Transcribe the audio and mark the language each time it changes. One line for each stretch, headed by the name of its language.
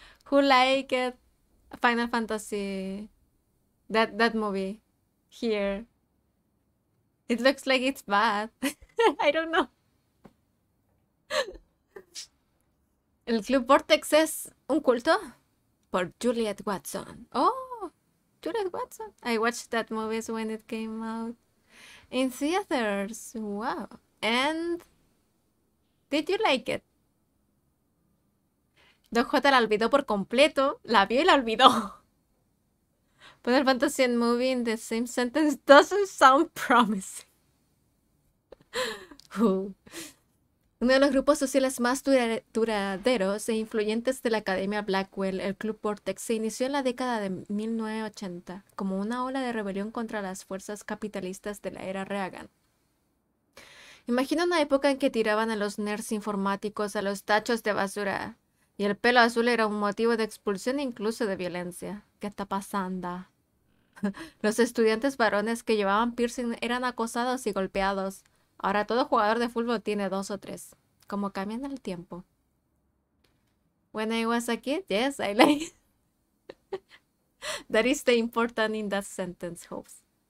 English: Who liked Final Fantasy? That movie. Here. It looks like it's bad. I don't know.
Spanish: El Club Vortex es un culto por Juliet Watson.
English: Oh, Juliet Watson. I watched that movie when it came out in theaters. Wow. And did you like it?
Spanish: Doc J la olvidó por completo. La vio y la olvidó.
English: Put a fantasy and movie in the same sentence doesn't sound promising.
Spanish: Uno de los grupos sociales más duraderos e influyentes de la Academia Blackwell, el Club Vortex, se inició en la década de 1980 como una ola de rebelión contra las fuerzas capitalistas de la era Reagan. Imagina una época en que tiraban a los nerds informáticos a los tachos de basura y el pelo azul era un motivo de expulsión e incluso de violencia. ¿Qué está pasando? Los estudiantes varones que llevaban piercing eran acosados y golpeados. Ahora todo jugador de fútbol tiene dos o tres. Como cambian el tiempo.
English: When I was a kid, yes, I like. That is the important in that sentence, Hopes.